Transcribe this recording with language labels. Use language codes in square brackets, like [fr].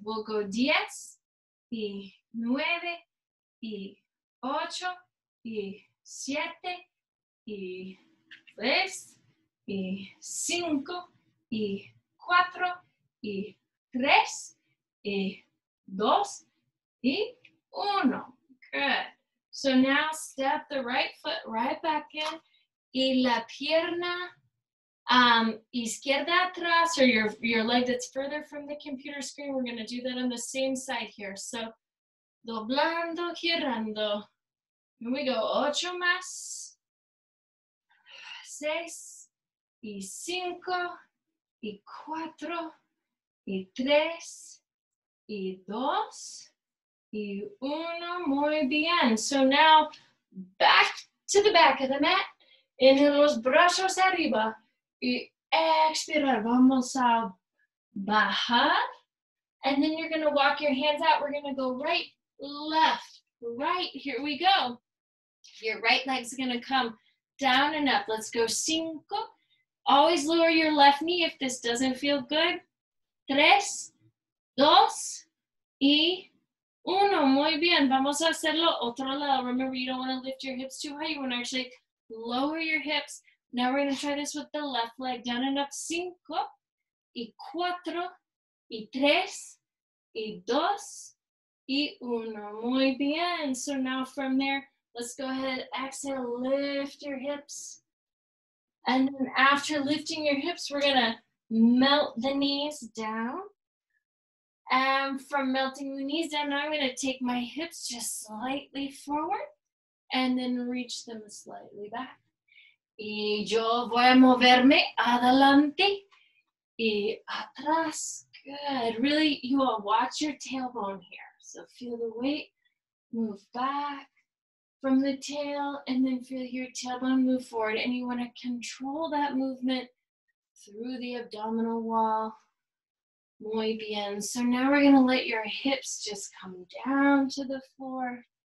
[en] We'll go [es] 10, y 9, y 8, y 7, y 3, y 5, y 4, y 3, y 2, y 1. Good. [en] So now step the right foot right back in, [es] y la pierna izquierda atrás, [en] or your leg that's further from the computer screen. We're gonna do that on the same side here. [es] So doblando, girando. [en] Here we go, [es] ocho más, seis, y cinco, y cuatro, y tres, y dos, y uno, muy bien. [en] So now, back to the back of the mat. [es] En los brazos arriba. Y expirar. Vamos a bajar. [en] And then you're going to walk your hands out. We're going to go right, left, right. Here we go. Your right leg's going to come down and up. [es] Let's go cinco. [en] Always lower your left knee if this doesn't feel good. [es] Tres, dos, y uno, muy bien. Vamos a hacerlo otro lado. [en] Remember, you don't want to lift your hips too high. You want to actually lower your hips. Now we're going to try this with the left leg. Down and up. [es] Cinco, y cuatro, y tres, y dos, y uno. Muy bien. [en] So now from there, let's go ahead, exhale, lift your hips. And then after lifting your hips, we're going to melt the knees down. And from melting the knees down, now I'm going to take my hips just slightly forward and then reach them slightly back. [es] Y yo voy a moverme adelante y atrás. [en] Good. Really, you all watch your tailbone here. So feel the weight move back from the tail and then feel your tailbone move forward. And you want to control that movement through the abdominal wall. [es] Muy bien. [en] So now we're going to let your hips just come down to the floor.